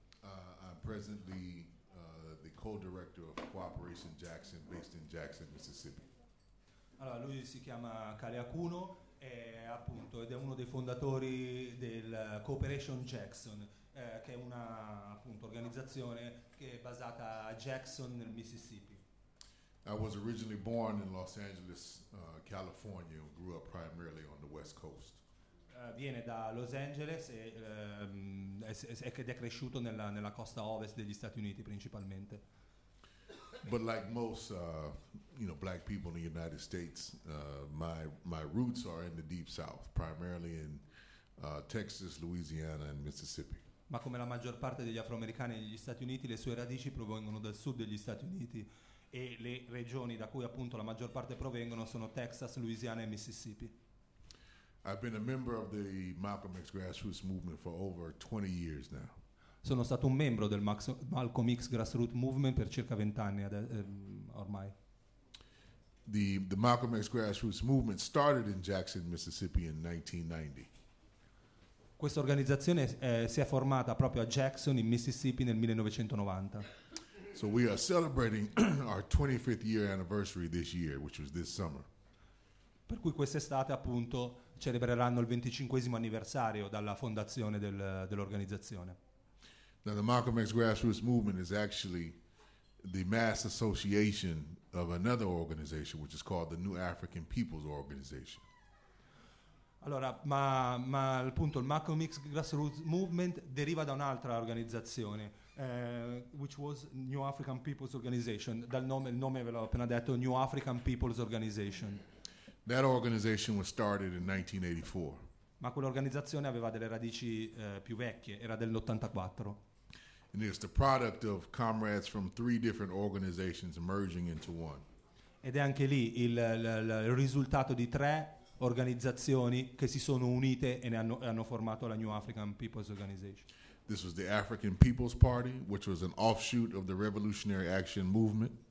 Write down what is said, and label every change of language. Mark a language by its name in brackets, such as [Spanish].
[English] I'm presently the co-director of Cooperation Jackson, based in Jackson, Mississippi. [Italian] Allora, lui si chiama Kali Akuno, appunto, ed è uno dei fondatori del Cooperation Jackson, che è una appunto organizzazione che è basata a Jackson, nel Mississippi. [English] I was originally born in Los Angeles, California, and grew up primarily on the West Coast. [Italian] Viene da Los Angeles e ed è cresciuto nella costa ovest degli Stati Uniti principalmente. [English] But like most, you know, black people in the United States, my roots are in the Deep South, primarily in Texas, Louisiana, and Mississippi. [Italian] Ma come la maggior parte degli afroamericani negli Stati Uniti, le sue radici provengono dal sud degli Stati Uniti. E le regioni da cui appunto la maggior parte provengono sono Texas, Louisiana e Mississippi. [English] I've been a member of the Malcolm X grassroots movement for over 20 years now. [Italian] Sono stato un membro del Malcolm X grassroots movement per circa 20 anni ormai. [English] The Malcolm X grassroots movement started in Jackson, Mississippi in 1990. [Italian] Questa organizzazione si è formata proprio a Jackson in Mississippi nel 1990. [English] So we are celebrating our 25th year anniversary this year, which was this summer. [Italian] Per cui quest'estate appunto celebreranno il 25esimo anniversario dalla fondazione dell'organizzazione. [English] Now the Malcolm X grassroots movement is actually the mass association of another organization, which is called the New African People's Organization. [Italian] Allora, ma appunto il Malcolm X grassroots movement deriva da un'altra organizzazione, [English] which was [Italian] New African People's Organization. Il nome ve l'ho appena detto, New African People's Organization. [English] That organization was started in 1984. [Italian] Ma quell'organizzazione aveva delle radici più vecchie, era dell'84. [English] And it's the product of comrades from three different organizations merging into one. [Italian] Ed è anche lì il risultato di tre organizzazioni che si sono unite e hanno formato la New African People's Organization. [English] This was the African People's Party, which was an offshoot of the Revolutionary Action Movement.